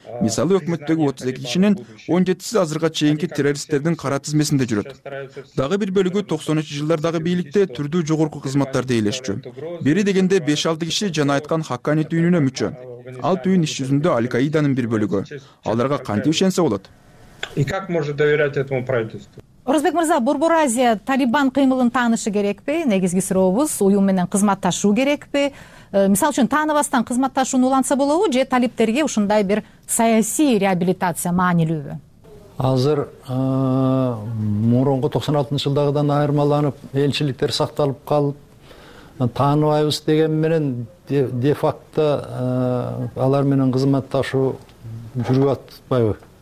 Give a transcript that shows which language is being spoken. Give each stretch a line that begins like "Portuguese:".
Kyrgyz: Мисалы, өкмөттөгү 32 кишинин 17 азыркы чейинки террористтердин кара тизмесинде жүрөт. Дагы бир бөлүгү 90-жылдардагы бийликте түрдүү жогорку кызматтарды ээлешчү. Бири дегенде 5-6 киши жана айткан Хаккани түйүнүнө мүчө. Ал түйүн иш жүзүндө Аль-Каиданын бир бөлүгү. Аларга кантип ишенсе болот?
Russian: И как может доверять этому правительству?
Kyrgyz: Орозбек Мырза, Борбор Азия Талибан кыймылын таанышы керекпи? Негизги сурообуз уюм менен кызматташуу керекпи? Мисалы үчүн тааныбастан кызматташууну уланса болобу же талиптерге ушундай бир саясий реабилитация маанилүүбү? Азыр мурунку 96-жылдагыдан айырмаланып, элчиликтер сакталып калып, тааныбайбыз деген менен де-факто алар менен кызматташуу жүрүп атпайбы?